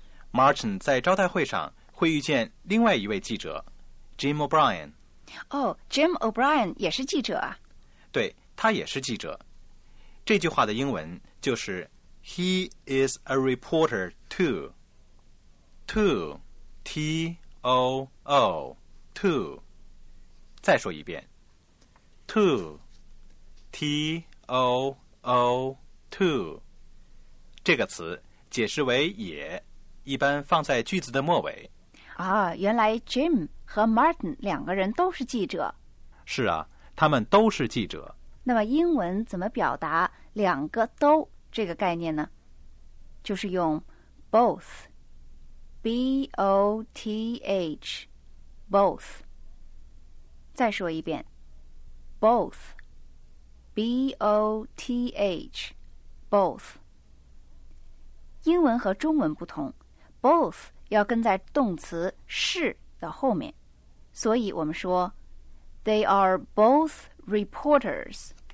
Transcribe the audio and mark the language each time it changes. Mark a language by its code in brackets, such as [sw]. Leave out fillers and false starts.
[zh] Martin 在招待会上会遇见另外一位记者Jim O'Brien。 Jim O'Brien 也是记者啊？对，他也是记者。这句话的英文就是 [en] He is a reporter too. To T-O-O To。 [zh] 再说一遍， [en] To T-O-O To。 [zh] 这个词解释为也，一般放在句子的末尾。啊，原来 Jim和 Martin 两个人都是记者。是啊，他们都是记者。那么英文怎么表达两个都这个概念呢？就是用 both， B-O-T-H， both。再说一遍， both， B-O-T-H， both。英文和中文不同， both 要跟在动词是的后面，所以我们说 [en] They are both reporters。